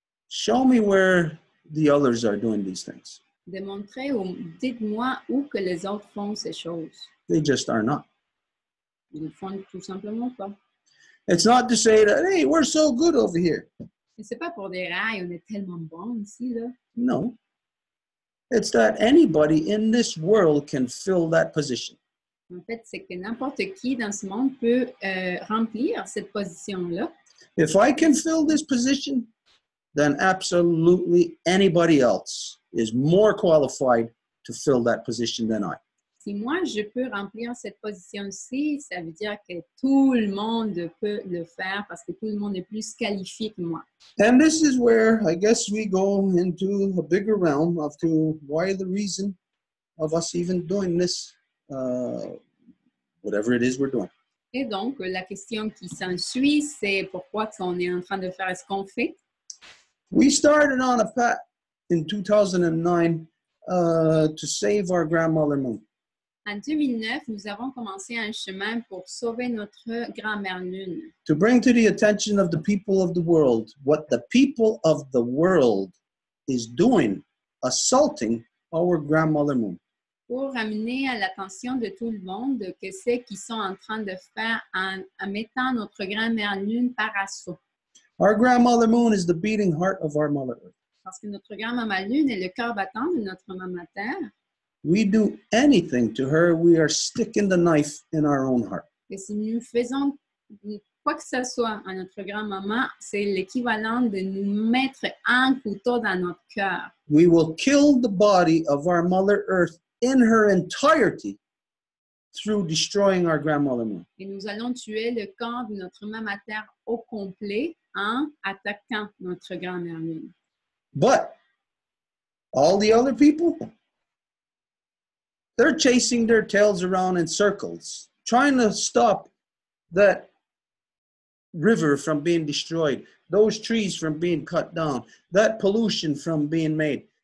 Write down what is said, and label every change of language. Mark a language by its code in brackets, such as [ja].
[en] Show me where the others are doing these things. [fr] Démontrez ou dites-moi où que les autres font ces choses. [en] They just are not. [fr] Ils ne font tout simplement pas. [en] It's not to say that, hey, we're so good over here. [fr] Et c'est pas pour dire, ah, on est tellement bon ici, là. [en] No. It's that anybody in this world can fill that position. [fr] En fait, c'est que n'importe qui dans ce monde peut remplir cette position-là. [en] If I can fill this position, then absolutely anybody else is more qualified to fill that position than I. [fr] Si moi je peux remplir cette position-ci, ça veut dire que tout le monde peut le faire parce que tout le monde est plus qualifié que moi. [en] And this is where I guess we go into a bigger realm of to why the reason of us even doing this, whatever it is we're doing. [fr] Et donc la question qui s'ensuit, c'est pourquoi on est en train de faire ce qu'on fait. [en] We started on a path in 2009 to save our grandmother Moon. [fr] En 2009, nous avons commencé un chemin pour sauver notre grand-mère Lune. [en] To bring to the attention of the people of the world what the people of the world is doing, assaulting our grandmother Moon. [fr] Pour amener à l'attention de tout le monde que c'est qu'ils sont en train de faire en mettant notre grand-mère Lune par assaut. [en] Our grandmother Moon is the beating heart of our Mother Earth. [fr] Parce que notre grand-mère Lune est le cœur battant de notre maman Terre. [en] We do anything to her, we are sticking the knife in our own heart. [fr] Et si nous faisons quoi que ce soit à notre grand-maman, c'est l'équivalent de nous mettre un couteau dans notre cœur. [en] We will kill the body of our Mother Earth in her entirety through destroying our grandmother Moon. [fr] Et nous allons tuer le corps de notre maman Terre au complet en attaquant notre grand-mère Moon. [en] But all the other people, they're chasing their tails around in circles, trying to stop that river from being destroyed, those trees from being cut down, that pollution from being made.